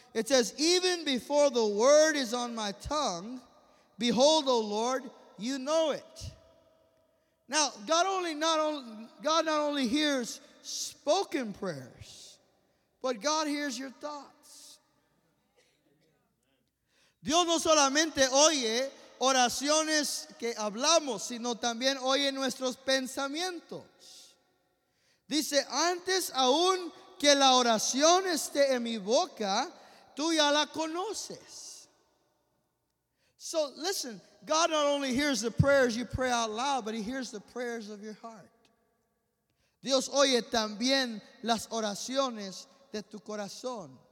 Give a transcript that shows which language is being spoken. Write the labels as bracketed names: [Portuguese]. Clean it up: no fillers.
[English] It says, even before the word is on my tongue, behold, O Lord, you know it. Now, God not only hears spoken prayers, but God hears your thoughts. [Spanish] Dios no solamente oye oraciones que hablamos, sino también oye nuestros pensamientos. Dice, antes aún que la oración esté en mi boca, tú ya la conoces. [English] So, listen. God not only hears the prayers you pray out loud, but he hears the prayers of your heart. [Spanish] Dios oye también las oraciones de tu corazón.